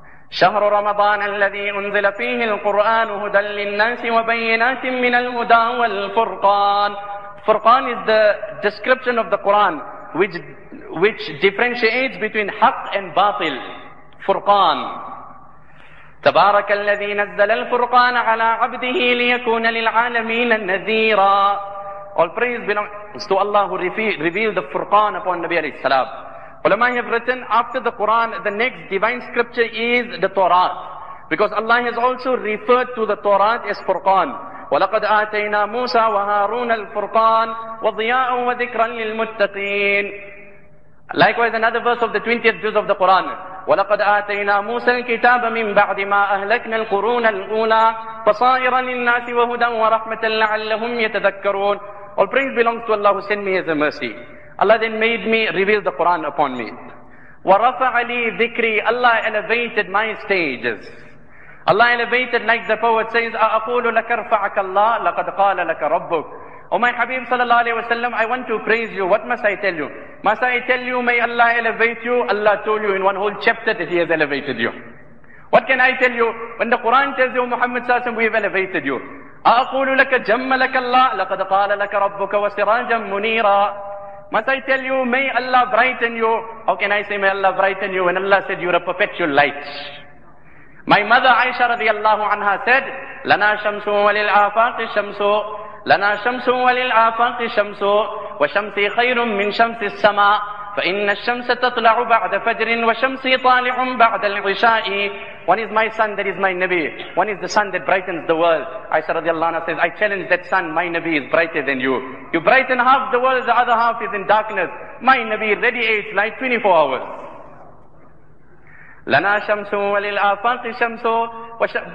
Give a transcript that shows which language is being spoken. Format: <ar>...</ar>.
<ar>شهر رمضان الذي أنزل فيه القرآن هدى للناس وبينات من الهدى والفرقان.</ar> <en>Furqan is the description of the Quran which differentiates between حق and باطل. Furqan.</en> <ar>تبارك الذي نزل الفرقان على عبده ليكون للعالمين نذيرا.</ar> <en>All praise belongs to Allah who revealed the Furqan upon Nabi عليه السلام. Ulama have written, after the Quran, the next divine scripture is the Torah. Because Allah has also referred to the Torah as Furqan.</en> <ar>وَلَقَدْ آتَيْنَا مُوسَى وَهَارُونَ الْفُرْقَانِ وَضِيَاءً وَذِكْرًا لِلْمُتَّقِينَ.</ar> <en>Likewise, another verse of the 20th juz of the Quran.</en> <ar>وَلَقَدْ آتَيْنَا مُوسَى الْكِتَابَ مِنْ بَعْدِ مَا أَهْلَكْنَا الْقُرُونَ الْأُولَى فَصَائِرًا لِلنَّاسِ وَهُدًى وَرَحْمَةً لَعَلَّهُمْ يَتَذَكَّرُونَ.</ar> <en>All praise belongs to Allah who sent me as a mercy. Allah then made me reveal the Quran upon me.</en> <ar>وَرَفَعَ لِي ذِكْرِي.</ar> <en>Allah elevated my stages. Allah elevated, like the poet says,</en> <ar>أَأَقُولُ لَكَ رَفَعَكَ اللَّهُ لَقَدْ قَالَ لَكَ رَبُّكَ.</ar> <en>Oh my Habib sallallahu alayhi wa sallam, I want to praise you. What must I tell you? Must I tell you, may Allah elevate you? Allah told you in one whole chapter that He has elevated you. What can I tell you? When the Quran tells you, Muhammad sallallahu alayhi wa sallam, we have elevated you.</en> <ar>أَأَقُولُ لَكَ جَمَّ لَكَ اللَّهُ لَقَدْ قَالَ لَكَ رَبُّكَ وَسِرَاجًا مُنِيرًا.</ar> <en>Must I tell you, may Allah brighten you? How can I say may Allah brighten you when Allah said you're a perpetual light? My mother Aisha radiallahu anha said,</en> <ar>لَنَا شَمْسُ وَلِلْ آفَاقِ شَمْسُ لَنَا شَمْسُ وَلِلْ آفَاقِ شَمْسُ وَشَمْسِ خَيْرٌ مِّن شَمْسِ السَّمَاءِ فَإِنَّ الشَّمْسَ تَطْلَعُ بَعْدَ فَجْرٍ وَشَمْسِ طَالِعٌ بَعْدَ الْعِشَاءِ.</ar> <en>One is my son, that is my Nabi. One is the sun that brightens the world. Aisha radiallahu anha says, I challenge that sun, my Nabi is brighter than you. You brighten half the world, the other half is in darkness. My Nabi radiates light 24 hours.</en> <ar>لَنَا شَمْسُ وَلِلْ آفَاقِ شَمْسُ.</ar>